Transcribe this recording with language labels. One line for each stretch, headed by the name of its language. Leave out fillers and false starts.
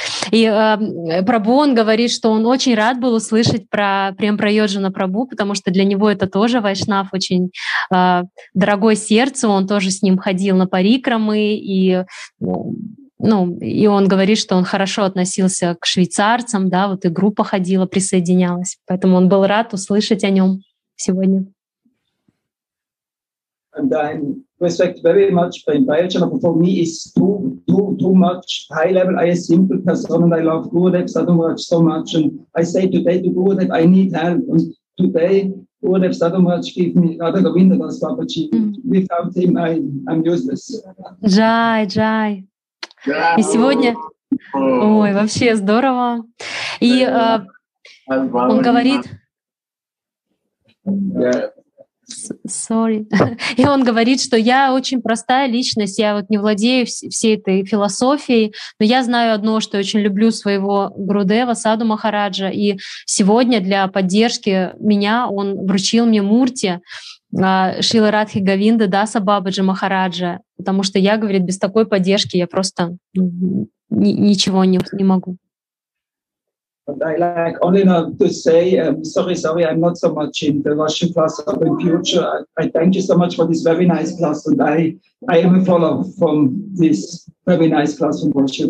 Russian: И Прабу, он говорит, что он очень рад был услышать про Прем Прайоджана Прабу, потому что для него это тоже вайшнав очень дорогое сердце. Он тоже с ним ходил на парикрамы. И, ну, и он говорит, что он хорошо относился к швейцарцам, да, вот и группа ходила, присоединялась. Поэтому он был рад услышать о нем сегодня.
English: And I respect very much Prem Prayojan, but for me it's too much high level. I am a simple person and I love Gurudev Sadhumaraj so much. And I say today to Gurudev, I need help. And today Gurudev Sadhumaraj gave me Radha Govindadas Babaji. Without him, I'm useless.
Russian: Jai, jai. И сегодня... Ой, вообще здорово. И он говорит...
English: Sorry.
Russian: И он говорит, что я очень простая личность, я вот не владею всей этой философией, но я знаю одно, что я очень люблю своего Гурудева, Саду Махараджа, и сегодня для поддержки меня он вручил мне мурти Шрилы Радхи Говинды Даса Бабаджи Махараджа, потому что я, говорит, без такой поддержки я просто ничего не могу.
English: And I like only now to say, sorry, I'm not so much in the Russian class of the future. I thank you so much for this very nice class. And I am a follower from this very nice class from Russia.